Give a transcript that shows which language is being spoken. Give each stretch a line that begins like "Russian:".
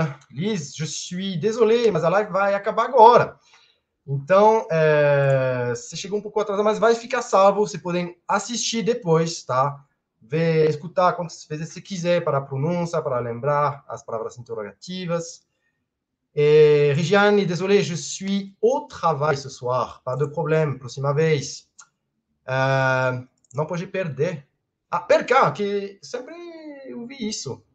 Portuguese: Liz,
French: je suis désolé,
Portuguese: mas a live vai acabar agora. Então, você chegou um pouco atrasado, mas vai ficar salvo. Você podem assistir depois, tá? Ver, escutar quantas vezes você quiser para a pronúncia, para lembrar as palavras interrogativas.
French: Regiane, désolé, je suis au travail ce soir. Pas de problème,
Portuguese: próxima vez. Não pode perder. Ah, perca, que sempre ouvi isso.